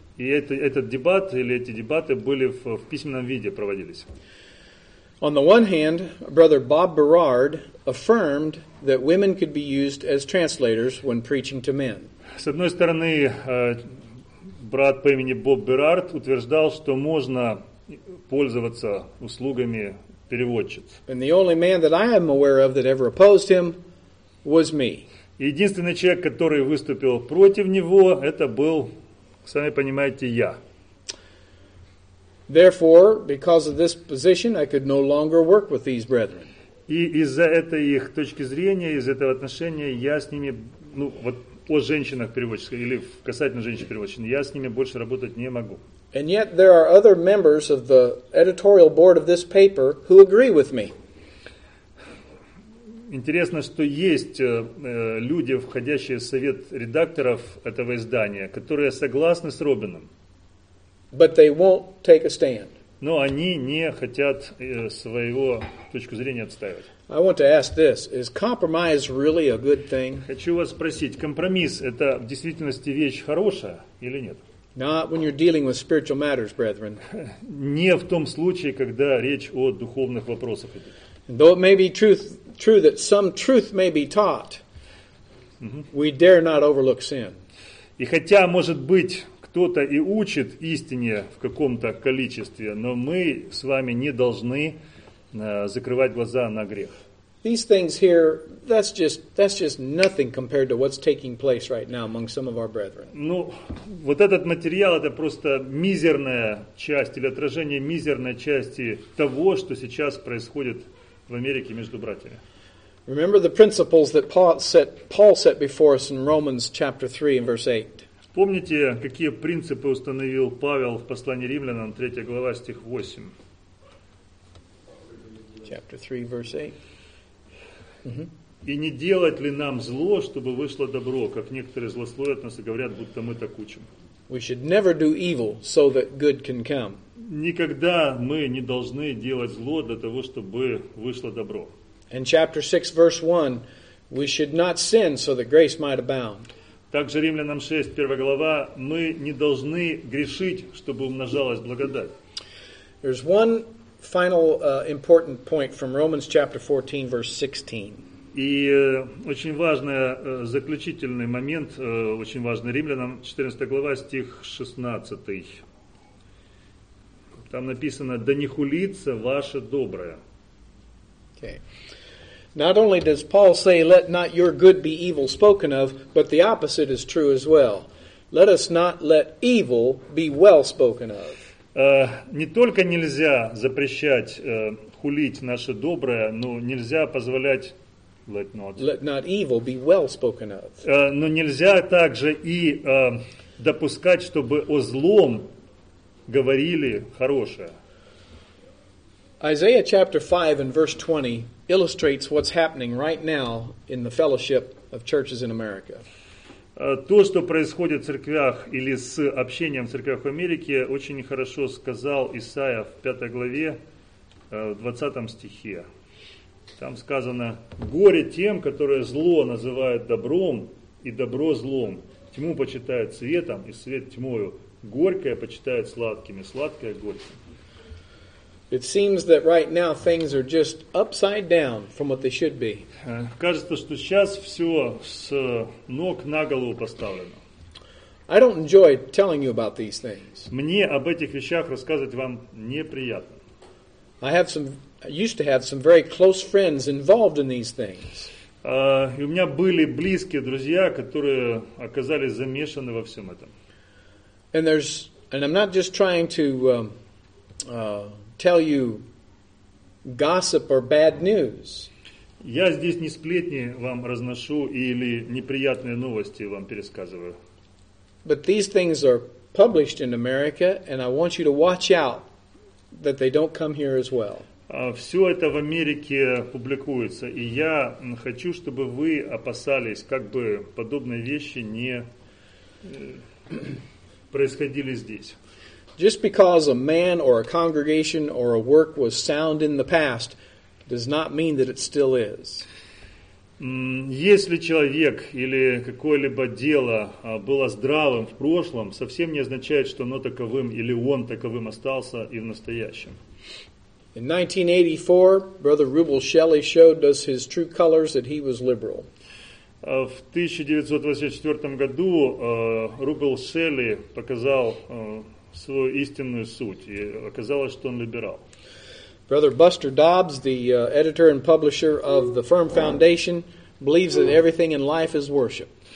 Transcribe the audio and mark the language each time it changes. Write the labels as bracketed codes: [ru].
[ru] И этот дебат или эти дебаты были в письменном виде проводились. [en] On the one hand, brother Bob Berard affirmed that women could be used as translators when preaching to men. [ru] С одной стороны, брат по имени Боб Берард утверждал, что можно пользоваться услугами переводчиц. [en] And the only man that I am aware of that ever opposed him was me. [ru] Единственный человек, который выступил против него, это был, сами понимаете, я. [en] Therefore, because of this position, I could no longer work with these brethren. [ru] И из-за этой их точки зрения, из этого отношения, я с ними, ну, вот о женщинах-переводчиках, или касательно женщин-переводчиков, я с ними больше работать не могу. [en] And yet there are other members of the editorial board of this paper who agree with me. [ru] Интересно, что есть люди, входящие в совет редакторов этого издания, которые согласны с Робином. [en] But they won't take a stand. [ru] Но они не хотят своего точку зрения отстаивать. [en] I want to ask this: is compromise really a good thing? [ru] Хочу вас спросить: компромисс – это в действительности вещь хорошая или нет? [en] Not when you're dealing with spiritual matters, brethren. [ru] Не в том случае, когда речь о духовных вопросах идет. [en] Though it may be true that some truth may be taught, we dare not overlook sin. [ru] И хотя может быть кто-то и учит истине в каком-то количестве, но мы с вами не должны закрывать глаза на грех. [en] These things here, that's just nothing compared to what's taking place right now among some of our brethren. [ru] Ну, вот этот материал, это просто мизерная часть или отражение мизерной части того, что сейчас происходит в Америке между братьями. [en] Remember the principles that Paul set before us in Romans chapter 3 and verse 8. [ru] Помните, какие принципы установил Павел в послании Римлянам, 3 глава, стих 8? [en] Chapter 3, verse 8. [ru] «И не делать ли нам зло, чтобы вышло добро, как некоторые злословят нас и говорят, будто мы так учим?» [en] We should never do evil so that good can come. [ru] Никогда мы не должны делать зло для того, чтобы вышло добро. [en] And chapter 6, verse 1. «We should not sin so that grace might abound». [ru] Также Римлянам 6, 1 глава, мы не должны грешить, чтобы умножалась благодать. [en] There's one final important point from Romans chapter 14, verse 16. [ru] И очень важный заключительный момент, очень важный, Римлянам 14 глава, стих 16. Там написано, да не хулится ваше доброе. [en] Okay. Not only does Paul say, let not your good be evil spoken of, but the opposite is true as well. Let us not let evil be well spoken of. [ru] Не только нельзя запрещать хулить наше доброе, но нельзя позволять... [en] Let not evil be well spoken of. [ru] Но нельзя также и допускать, чтобы о злом говорили хорошее. [en] Isaiah chapter 5 and verse 20 illustrates what's happening right now in the fellowship of churches in America. [ru] То, что происходит в церквях или с общением в церквях в Америке, очень хорошо сказал Исаия в 5 главе, в 20 стихе. Там сказано, горе тем, которые зло называют добром, и добро злом. Тьму почитают светом, и свет тьмою. Горькое почитают сладким, и сладкое горьким. [en] It seems that right now things are just upside down from what they should be. [ru] Кажется, что сейчас все с ног на голову поставлено. [en] I don't enjoy telling you about these things. [ru] Мне об этих вещах рассказывать вам неприятно. [en] I used to have some very close friends involved in these things. [ru] И у меня были близкие друзья, которые оказались замешаны во всем этом. [en] And I'm not just trying to tell you gossip or bad news. [ru] Я здесь не сплетни вам разношу или неприятные новости вам пересказываю. [en] But these things are published in America, and I want you to watch out that they don't come here as well. [ru] Все это в Америке публикуется, и я хочу, чтобы вы опасались, как бы подобные вещи не происходили здесь. [en] Just because a man or a congregation or a work was sound in the past does not mean that it still is. [ru] Если человек или какое-либо дело было здравым в прошлом, совсем не означает, что оно таковым или он таковым остался и в настоящем. [en] In 1984, Brother Rubel Shelley showed us his true colors that he was liberal. [ru] В 1984 году Рубел Шелли показал свою истинную суть, и оказалось, что он либерал. [en] Brother Buster Dobbs, the editor and publisher of the Firm Foundation, believes that everything in life is worship.